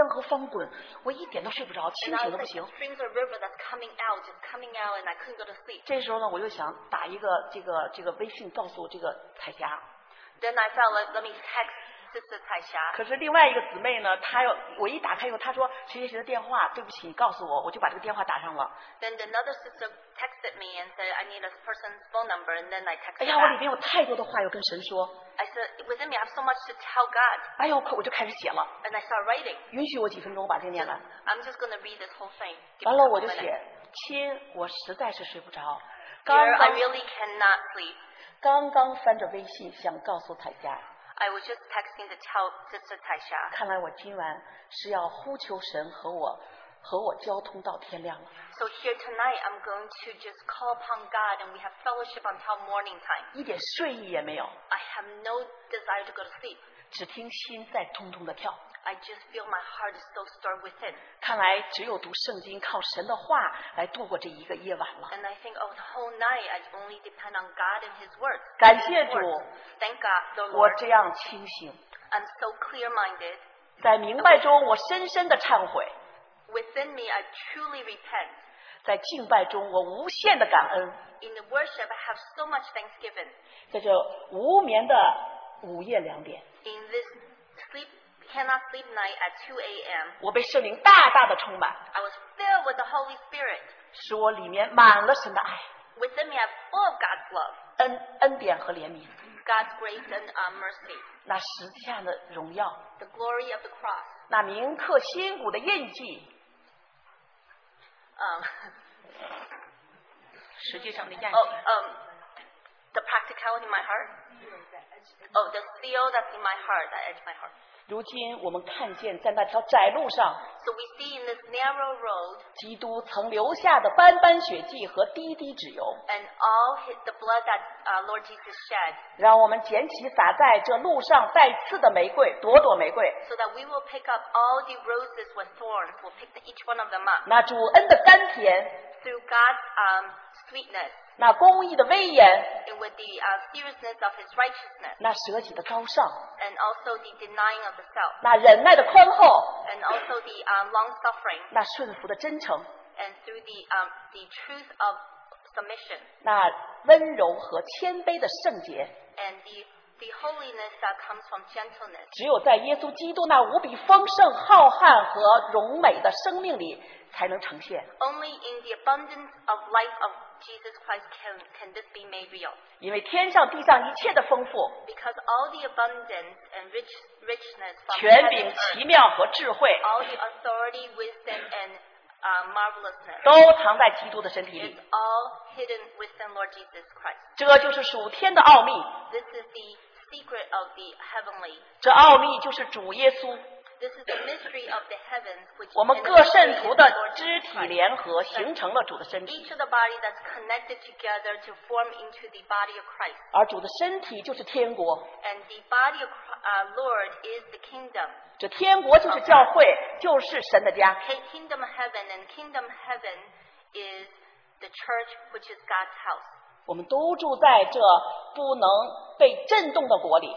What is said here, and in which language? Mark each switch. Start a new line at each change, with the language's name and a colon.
Chinese: 我变成新人的样子，我激动啊！我在里边就像那个江河翻滚，我一点都睡不着，清醒的不行。
English: And I think the streams of river that's coming out, just coming out, and I couldn't go to sleep.
Chinese: 这时候呢，我又想打一个这个微信告诉这个彩霞。
English: Then I felt like let me text Sister 彩霞.
Chinese: 可是另外一个姊妹呢，她要我一打开以后，她说陈先生的电话，对不起，你告诉我，我就把这个电话打上了。
English: Then another sister texted me and said I need a person's phone number, and then I texted.
Chinese: 哎呀，我里边有太多的话要跟神说。
English: I said, within me, I have so much to tell God.
Chinese: 哎呦，我就开始写了。
English: And I start writing.
Chinese: 允许我几分钟把这念完。
English: I'm just going to read this whole thing.
Chinese: 完了我就写，亲，我实在是睡不着。
English: I really cannot sleep.
Chinese: 刚刚翻着微信想告诉彩霞。
English: I was just texting to tell Sister 彩霞.
Chinese: 看来我今晚是要呼求神和我交通到天亮了。
English: So here tonight, I'm going to just call upon God and we have fellowship until morning time.
Chinese: 一点睡意也没有。
English: I have no desire to go to sleep.
Chinese: 只听心在通通的跳。
English: I just feel my heart is so stirred within.
Chinese: 看来只有读圣经，靠神的话来度过这一个夜晚了。
English: And I think of the whole night, I only depend on God and His words.
Chinese: 感谢主。
English: Thank God, the Lord.
Chinese: 我这样清醒。
English: I'm so clear-minded.
Chinese: 在明白中，我深深的忏悔。
English: Within me, I truly repent.
Chinese: 在敬拜中，我无限的感恩。
English: In the worship, I have so much thanksgiving.
Chinese: 在这无眠的午夜两点。
English: In this sleep. Cannot sleep night at 2 a.m.
Chinese: 我被圣灵大大的充满。
English: I was filled with the Holy Spirit.
Chinese: 使我里面满了神的爱。
English: Within me, I'm full of God's love.
Chinese: 恩典和怜悯。
English: God's grace and mercy.
Chinese: 那十字架的荣耀。
English: The glory of the cross.
Chinese: 那铭刻心骨的印记。实际上的印记。
English: The practicality in my heart. Oh, the seal that's in my heart, that edge my heart.
Chinese: 如今我们看见在那条窄路上
English: so we see in this narrow road,
Chinese: 基督曾留下的斑斑血迹和滴滴脂油
English: and all his, the blood that, Lord Jesus shed,
Chinese: 让我们捡起洒在这路上带刺的玫瑰朵朵玫瑰
English: so that we will pick up all the roses with thorns we'll pick each one of them up
Chinese: 那主恩的甘甜
English: through God's, sweetness
Chinese: 那公义的威严
English: and with the, seriousness of his righteousness,
Chinese: 那舍己的高尚
English: and also the denying of the self,
Chinese: 那忍耐的宽厚
English: and also the, long-suffering,
Chinese: 那顺服的真诚
English: and through the, the truth of submission,
Chinese: 那温柔和谦卑的圣洁
English: and the holiness that comes from gentleness,
Chinese: 只有在耶稣基督那无比丰盛浩瀚和荣美的生命里才能呈现
English: only in the abundance of life ofJesus Christ can this be made real?
Chinese: 因为天上地上一切的丰富
English: Because all the abundance and richness from
Chinese: 权柄奇妙和智慧
English: All the authority, wisdom and marvelousness
Chinese: 都藏在基督的身体里
English: It's all hidden within Lord Jesus Christ
Chinese: 这就是属天的奥秘
English: This is the secret of the heavenly
Chinese: 这奥秘就是主耶稣
English: This is the mystery of the heavens which
Chinese: 我们各圣徒的肢体联合形成了主的身体
English: Each of the body that's connected together to form into the body of Christ
Chinese: 而主的身体就是天国
English: And the body of Lord is the kingdom
Chinese: 这天国就是教会就是神的家
English: The kingdom of heaven and kingdom of heaven is the church which is God's house
Chinese: 我们都住在这不能被震动的国里。